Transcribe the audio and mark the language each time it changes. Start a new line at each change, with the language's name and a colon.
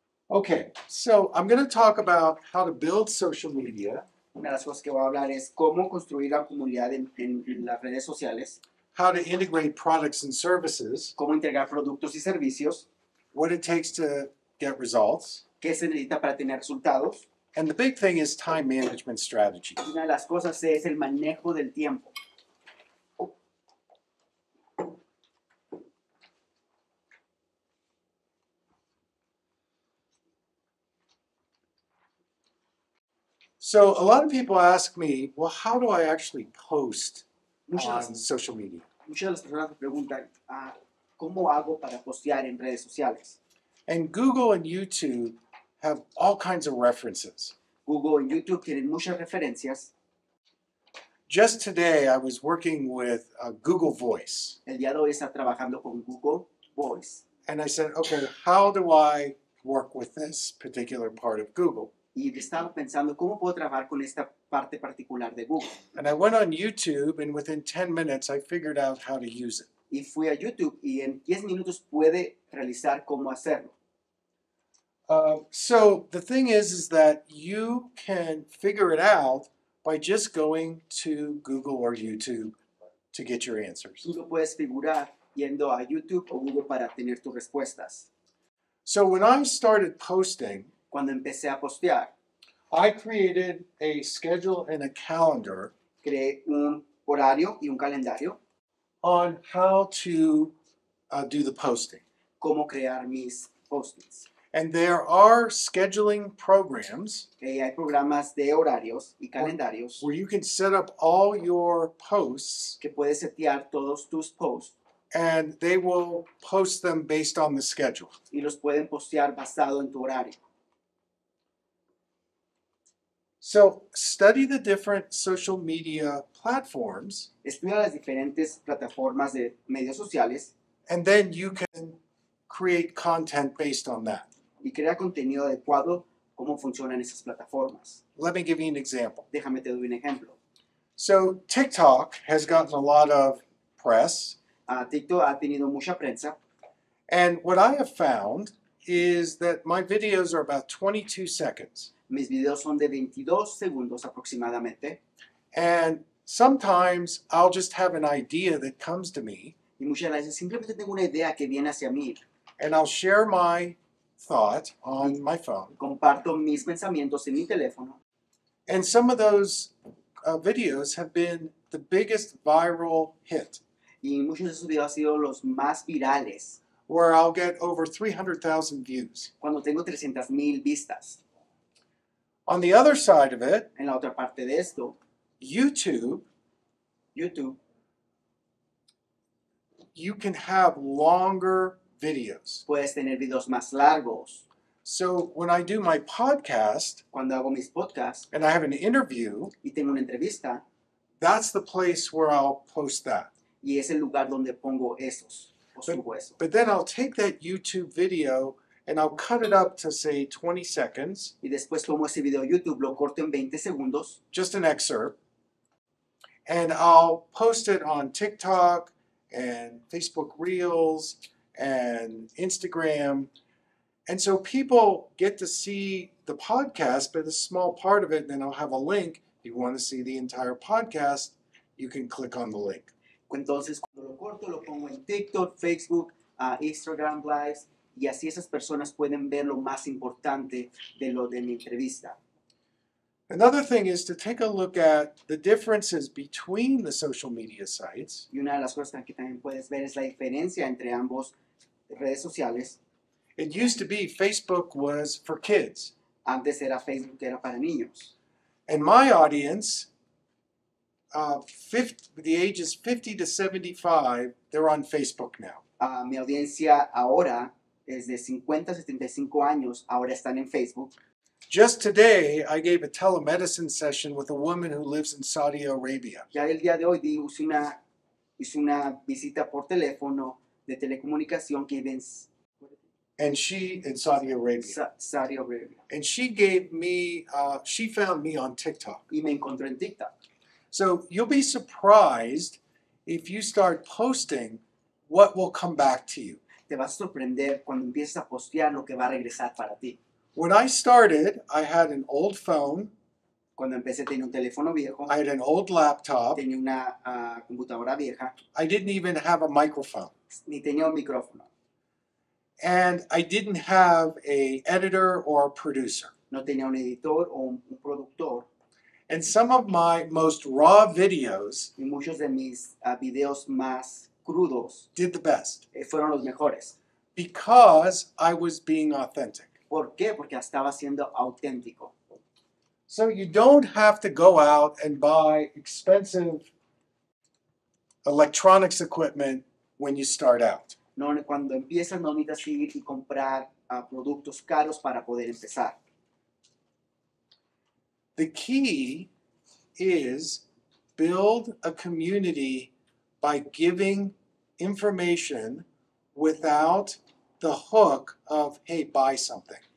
English: Okay, so I'm going to talk about how to build social media.
Spanish: Una de las cosas que voy a hablar es cómo construir la comunidad en las redes sociales.
English: How to integrate products and services.
Spanish: Cómo integrar productos y servicios.
English: What it takes to get results.
Spanish: Qué se necesita para tener resultados.
English: And the big thing is time management strategy.
Spanish: Una de las cosas es el manejo del tiempo.
English: So a lot of people ask me, well, how do I actually post on social media?
Spanish: Muchas de las personas me preguntan, ¿cómo hago para postear en redes sociales?
English: And Google and YouTube have all kinds of references.
Spanish: Google and YouTube tienen muchas referencias.
English: Just today, I was working with Google Voice.
Spanish: El día de hoy está trabajando con Google Voice.
English: And I said, okay, how do I work with this particular part of Google?
Spanish: Y estaba pensando, ¿cómo puedo trabajar con esta parte particular de Google?
English: And I went on YouTube, and within 10 minutes, I figured out how to use it.
Spanish: Y fui a YouTube, y en 10 minutos puede realizar cómo hacerlo.
English: So, the thing is that you can figure it out by just going to Google or YouTube to get your answers.
Spanish: Tú lo puedes figurar yendo a YouTube o Google para tener tus respuestas.
English: So when I started posting,
Spanish: cuando empecé a postear,
English: I created a schedule and a calendar,
Spanish: creé un horario y un calendario,
English: on how to do the posting.
Spanish: Cómo crear mis postings.
English: And there are scheduling programs,
Spanish: hay programas de horarios y calendarios,
English: where you can set up all your posts,
Spanish: que puedes setear todos tus posts,
English: and they will post them based on the schedule.
Spanish: Y los pueden postear basado en tu horario.
English: So study the different social media platforms.
Spanish: Estudia las diferentes plataformas de medios sociales.
English: And then you can create content based on that.
Spanish: Y crea contenido adecuado cómo funcionan esas plataformas.
English: Let me give you an example.
Spanish: Déjame te doy un ejemplo.
English: So TikTok has gotten a lot of press.
Spanish: TikTok ha tenido mucha prensa.
English: And what I have found is that my videos are about 22 seconds.
Spanish: Mis videos son de 22 segundos aproximadamente.
English: And sometimes I'll just have an idea that comes to me.
Spanish: Y muchas veces simplemente tengo una idea que viene hacia mí.
English: And I'll share my thought on my phone.
Spanish: Comparto mis pensamientos en mi teléfono.
English: And some of those videos have been the biggest viral hit.
Spanish: Y muchos de esos videos han sido los más virales.
English: Where I'll get over 300,000 views.
Spanish: Cuando tengo 300,000 vistas.
English: On the other side of it,
Spanish: en la otra parte de esto,
English: YouTube, you can have longer videos.
Spanish: Puedes tener videos más largos.
English: So when I do my podcast,
Spanish: cuando hago mis podcasts,
English: and I have an interview,
Spanish: y tengo una entrevista,
English: that's the place where I'll post that.
Spanish: Y es el lugar donde pongo esos.
English: But then I'll take that YouTube video and I'll cut it up to say 20 seconds.
Spanish: Y después tomo ese video YouTube, lo corto en 20 segundos.
English: Just an excerpt. And I'll post it on TikTok and Facebook Reels and Instagram. And so people get to see the podcast, but a small part of it, and then I'll have a link. If you want to see the entire podcast, you can click on the link.
Spanish: Entonces, cuando lo corto, lo pongo en TikTok, Facebook, Instagram Lives, y así esas personas pueden ver lo más importante de lo de mi entrevista.
English: Another thing is to take a look at the differences between the social media sites.
Spanish: Y una de las cosas que también puedes ver es la diferencia entre ambos redes sociales.
English: It used to be Facebook was for kids.
Spanish: Antes era Facebook, era para niños.
English: And my audience, the ages 50 to 75, they're on Facebook now.
Spanish: Mi audiencia ahora es de 50 a 75 años, ahora están en Facebook.
English: Just today, I gave a telemedicine session with a woman who lives in Saudi Arabia.
Spanish: Ya el día de hoy hice una visita por teléfono de telecomunicación que vive
English: in Saudi Arabia.
Spanish: Saudi Arabia.
English: And she gave me, she found me on TikTok.
Spanish: Y me encontró en TikTok.
English: So you'll be surprised if you start posting what will come back to you.
Spanish: Te vas a sorprender cuando empieces a postear lo que va a regresar para ti.
English: When I started, I had an old phone.
Spanish: Cuando empecé tenía un teléfono viejo.
English: I had an old laptop.
Spanish: Tenía una computadora vieja.
English: I didn't even have a microphone.
Spanish: Ni tenía un micrófono.
English: And I didn't have an editor or a producer.
Spanish: No tenía un editor o un productor.
English: And some of my most raw videos,
Spanish: y muchos de mis videos más crudos,
English: did the best.
Spanish: Fueron los mejores.
English: Because I was being authentic.
Spanish: ¿Por qué? Porque estaba siendo auténtico.
English: So you don't have to go out and buy expensive electronics equipment when you start out.
Spanish: No, cuando empiezas no necesitas ir y comprar productos caros para poder empezar.
English: The key is build a community by giving information without the hook of, hey, buy something.